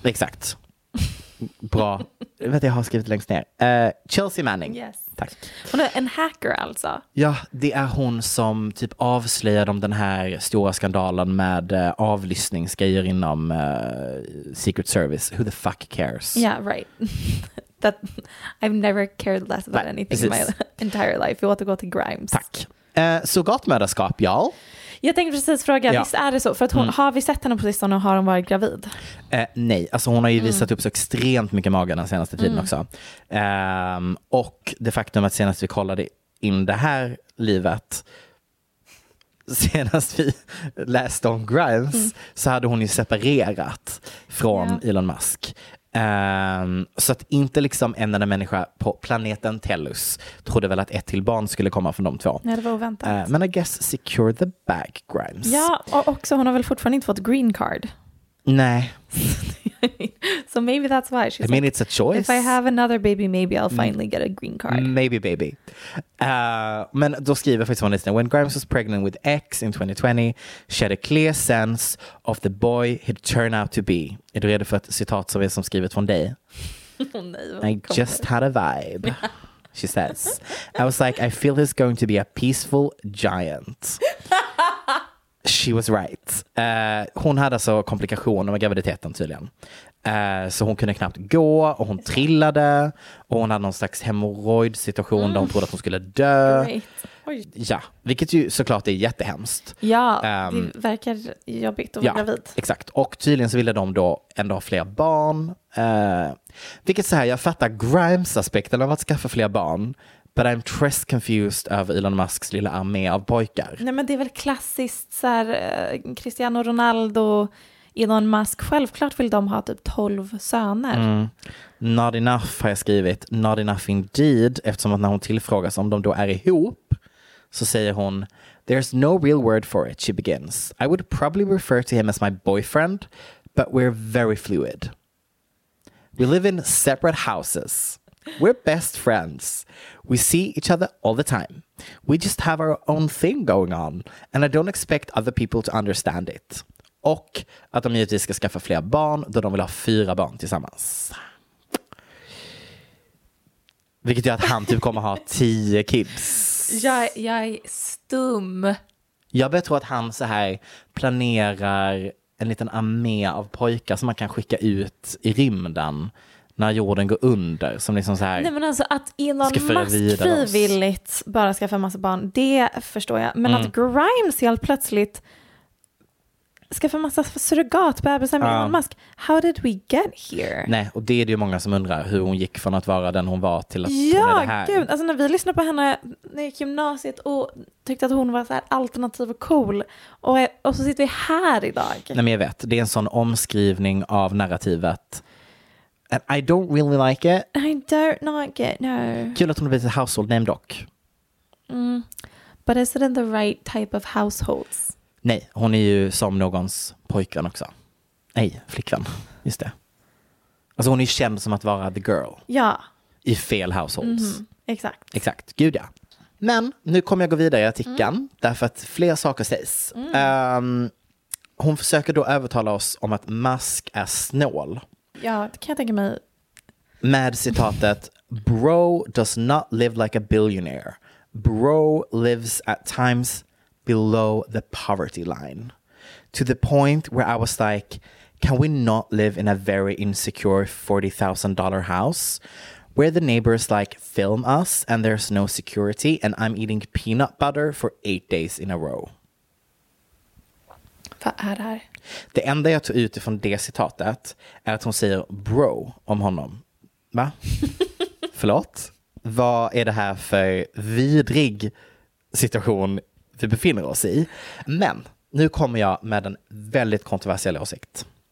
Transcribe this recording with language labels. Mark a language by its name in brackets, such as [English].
[Swedish] Exakt. Bra. Vet jag har skrivit längst ner. Chelsea Manning. [English] Yes. [Swedish] Tack. Hon är en hacker alltså. Ja, det är hon som typ avslöjade om den här stora skandalen med avlyssningsgrejer inom Secret Service. [English] Who the fuck cares? Yeah, right. That, I've never cared less about anything [Swedish] precis. [English] In my entire life. [Swedish] Vi återgår till Grimes. Tack. Surrogatmödraskap, y'all. Jag tänkte precis fråga, ja. Visst är det så? För att hon, har vi sett henne på sistone och har hon varit gravid? Nej, alltså hon har ju visat upp så extremt mycket mage den senaste tiden också. Och det faktum att senast vi kollade in det här livet, senast vi läste om Grimes, så hade hon ju separerat från Elon Musk. Så att inte liksom en enda människa på planeten Tellus trodde väl att ett till barn skulle komma från de två. Nej, det var oväntat. Men [English] I guess secure the bag, Grimes. [Swedish] Ja, och också hon har väl fortfarande inte fått green card. Nej. [English] So maybe that's why. She's I mean, like, it's a choice. If I have another baby, maybe I'll finally get a green card. Maybe baby. [Swedish] Men då skriver faktiskt hon listen. [English] When Grimes was pregnant with X in 2020, she had a clear sense of the boy he'd turn out to be. [Swedish] Är du redo för ett citat som är som skrivet från dig? Nej, [English] I just had a vibe, she says. I was like, I feel he's going to be a peaceful giant. She was right. [Swedish] Hon hade alltså komplikationer med graviditeten tydligen. Så hon kunde knappt gå och hon trillade. Och hon hade någon slags hemorrojdsituation där hon trodde att hon skulle dö. Oj. Ja, vilket ju såklart är jättehemskt. Ja, det verkar jobbigt att vara gravid. Exakt. Och tydligen så ville de då ändå ha fler barn. Vilket så här, jag fattar Grimes-aspekten av att skaffa fler barn. [English] But I'm [Swedish] trist [English] confused [Swedish] över Elon Musks lilla armé av pojkar. Nej, men det är väl klassiskt så här, Cristiano Ronaldo Elon Musk, självklart vill de ha typ 12 söner. [English] Mm. Not enough [Swedish] har jag skrivit. [English] Not enough indeed. [Swedish] Eftersom att när hon tillfrågas om de då är ihop så säger hon: [English] "There's no real word for it," she begins. "I would probably refer to him as my boyfriend, but we're very fluid. We live in separate houses. We're best friends. We see each other all the time. We just have our own thing going on, and I don't expect other people to understand it." [Swedish] Och att de givetvis ska skaffa fler barn, då de vill ha 4 barn tillsammans. Vilket gör att han typ kommer ha 10 kids. Jag är stum. Jag börjar tro att han så här planerar en liten armé av pojkar som man kan skicka ut i rymden när jorden går under, som liksom så här. Nej, men alltså att Elon Musk frivilligt bara skaffa en massa barn, det förstår jag. Men att Grimes helt plötsligt skaffa en massa surrogatbebisar med Elon Musk. [English] How did we get here? [Swedish] Nej, och det är det ju många som undrar, hur hon gick från att vara den hon var till att hon är det här. Ja, gud. Alltså när vi lyssnade på henne när jag gick gymnasiet och tyckte att hon var så här alternativ och cool. Och så sitter vi här idag. Nej, men jag vet. Det är en sån omskrivning av narrativet. [English] And I don't really like it. I don't like it, no. [Swedish] Kul att hon har blivit [English] household name [Swedish] dock. Mm. [English] But is it in the right type of households? [Swedish] Nej, hon är ju som någons pojkvän också. Nej, flickvän. Just det. Alltså hon är ju känd som att vara [English] the girl. [Swedish] Ja. I fel households. Mm-hmm. Exakt. Exakt, gud ja. Men nu kommer jag gå vidare i artikeln. Mm. Därför att fler saker sägs. Mm. Hon försöker då övertala oss om att Musk är snål. Ja, det kan jag tänka mig. Med citatet: "Bro does not live like a billionaire. Bro lives at times below the poverty line. To the point where I was like, can we not live in a very insecure $40,000 house where the neighbors like film us and there's no security and I'm eating peanut butter for 8 days in a row." Vad är det här? Det enda jag tar ut ifrån det citatet är att hon säger bro om honom. Va? Förlåt? Vad är det här för vidrig situation vi befinner oss i? Men nu kommer jag med en väldigt kontroversiell åsikt.